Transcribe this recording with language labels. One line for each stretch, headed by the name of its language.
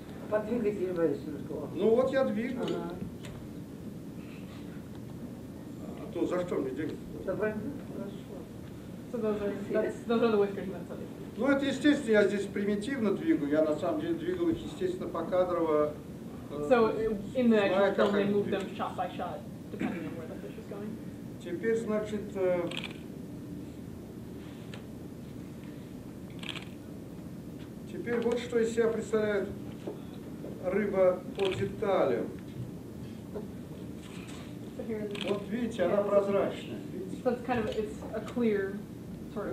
Russian: Подвигайте, Борис, немножко. Ну вот я двигаю. Ага. А то за что мне деньги? Давай, хорошо.
English: Those are the whiskers.
Russian: Ну это естественно, я здесь примитивно двигаю. Я на самом деле двигал их, естественно, покадрово.
English: So, in the actual film, they move them shot by shot, depending on where the fish is going.
Russian: Теперь, значит... Теперь вот что из себя представляет рыба по деталям.
English: So here
Russian: вот видите, она прозрачная.
English: So it's kind of, it's a clear sort of